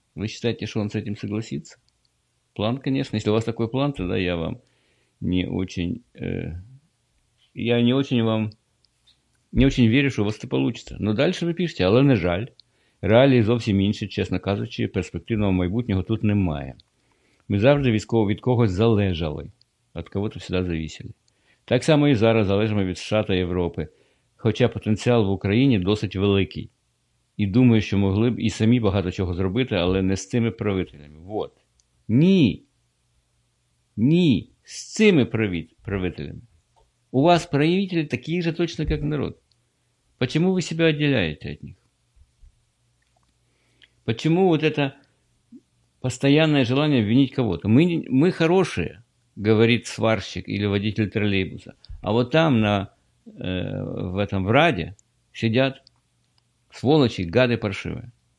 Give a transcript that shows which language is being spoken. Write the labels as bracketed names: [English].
[Russian] Вы считаете, что он с этим согласится? План, конечно. Если у вас такой план, тогда я вам не очень... я не очень вам... не очень верю, что у вас это получится. Но дальше вы пишете, [Ukrainian] але не жаль. Реалии зовсім інші, чесно кажучи, перспективного майбутнього тут немає. Ми завжди від когось залежали. [Russian] От кого-то всегда зависели. [Ukrainian] Так само і зараз залежимо від США та Європи. Хоча потенціал в Україні досить великий. І думаю, що могли б і самі багато чого зробити, але не з цими правителями. Вот. Ні. Ні. З цими правителями. У вас правителі такі же точно, як народ. [Russian] Почему [Ukrainian] ви себе відділяєте від них? [Russian] Почему вот это постоянное желание обвинить кого-то? Ми хорошие, говорить сварщик или водитель тролейбуса. А вот там, в этом в Раді, сидят сволочи, гады паршивые.